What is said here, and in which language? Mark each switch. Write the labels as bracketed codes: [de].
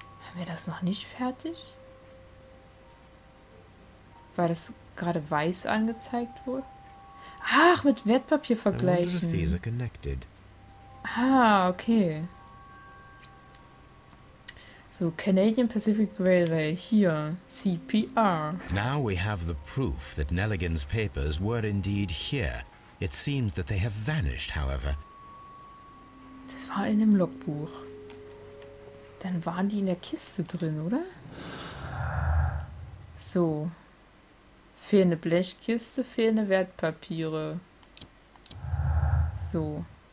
[de] Haben wir das noch nicht fertig? Weil das gerade weiß angezeigt wurde? Ach, mit Wertpapier vergleichen. [en] And these are connected. [de] Ah, okay. [en] So, Canadian Pacific Railway, here, CPR. Now we have the proof that Nelligan's papers were indeed here. It seems that they have vanished, however. [de] Das war in dem Logbuch. Dann waren die in der Kiste drin, oder? So. Fehlende Blechkiste, fehlende Wertpapiere. So.